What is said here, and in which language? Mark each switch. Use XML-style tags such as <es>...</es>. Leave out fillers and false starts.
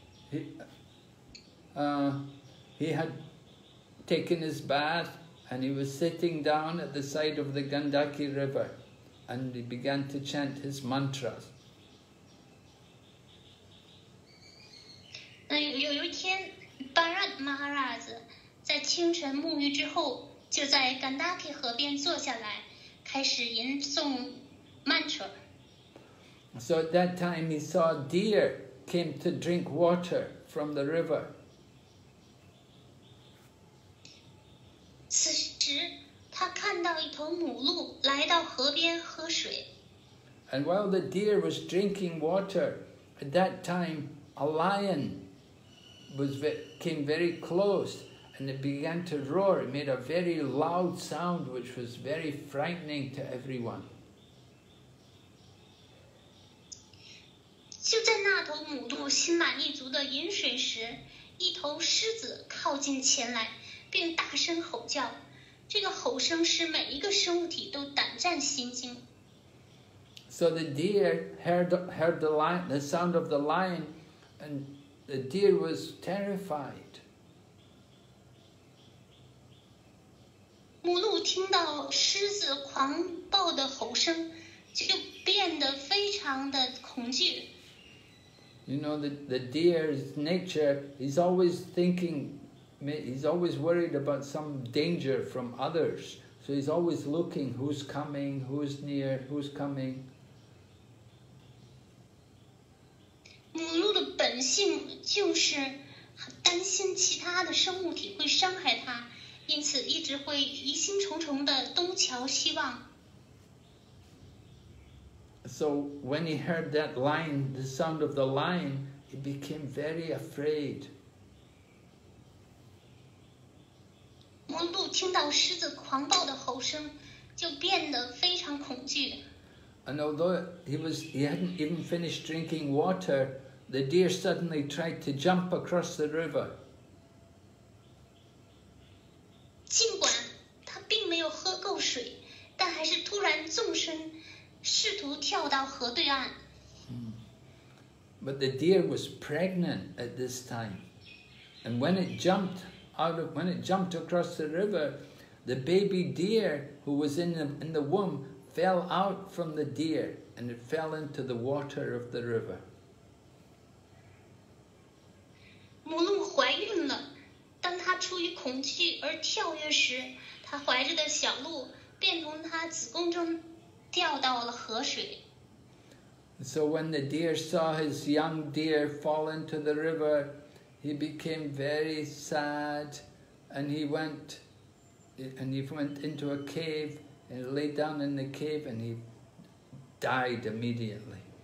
<en>He had taken his bath and he was sitting down at the side of the Gandaki River and he began to chant his mantras.</en> <zh>就在甘达基河边坐下来，开始吟诵曼特。</zh> <en>So at that time he saw a deer came to drink water from the river.</en> <zh>此时他看到一头母鹿来到河边喝水。</zh> <en>And while the deer was drinking water, at that time a lion came very close. And it began to roar. It made a very loud sound, which was very frightening to everyone.</en> <zh>就在那头母鹿心满意足的饮水时，一头狮子靠近前来，并大声吼叫。这个吼声使每一个生物体都胆战心惊。</zh> <en>So the deer heard the sound of the lion, and The deer was terrified.</en> <zh>母鹿听到狮子狂暴的吼声，就变得非常的恐惧。</zh> <en>You know, the deer's nature is always thinking, he's always worried about some danger from others. So he's always looking who's coming, who's near, who's coming.</en> <zh>母鹿的本性就是担心其他的生物体会伤害它，因此一直会疑心重重地东瞧西望。</zh> <en>So when he heard that lion, the sound of the lion, he became very afraid.</en> <zh>母鹿听到狮子狂暴的吼声，就变得非常恐惧。</zh> <en>And although he hadn't even finished drinking water, the deer suddenly tried to jump across the river.</en> <zh>尽管他并没有喝够水，但还是突然纵身试图跳到河对岸。</zh> <en>But the deer was pregnant at this time. And when it jumped out of, when it jumped across the river, the baby deer who was in the womb fell out from the deer and it fell into the water of the river.</en> <zh>母鹿怀孕了，当她出于恐惧而跳跃时，她怀着的小鹿便从她子宫中掉到了河水。</zh> <en>So when the deer saw his young deer fall into the river, he became very sad, and he went into a cave and lay down in the cave and he died immediately.</en>